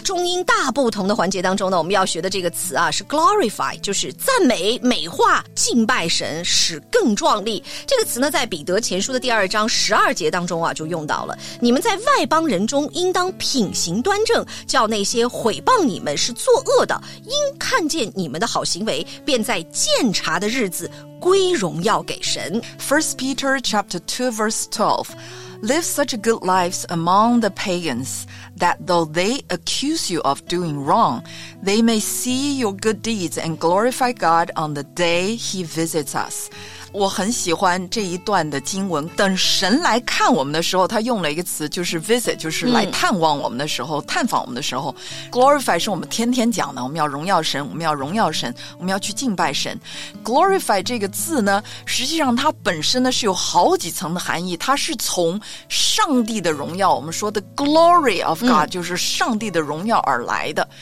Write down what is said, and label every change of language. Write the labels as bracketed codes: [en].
[zh] 中英大不同的环节当中呢，我们要学的这个词啊是 glorify， 就是赞美、美化、敬拜神，使更壮丽。这个词呢在彼得前书的第二章十二节当中啊就用到了，你们在外邦人中应当品行端正，叫那些毁谤你们是作恶的应看见你们的好行为，便在鉴察的日子归荣耀给神。 [en] 1 Peter chapter 2 verse 12Live such a good life among the pagans that though they accuse you of doing wrong, they may see your good deeds and glorify God on the day he visits us. [zh] 我很喜欢这一段的经文，等神来看我们的时候，他用了一个词，就是 visit， 就是来探望我们的时候，探访我们的时候。 Glorify 是我们天天讲的，我们要荣耀神，我们要荣耀神，我们要去敬拜神。 Glorify 这个字呢，实际上它本身呢是有好几层的含义，它是从上帝的荣耀，我们说的 [en] glory of God、 [zh] 就是上帝的荣耀而来的。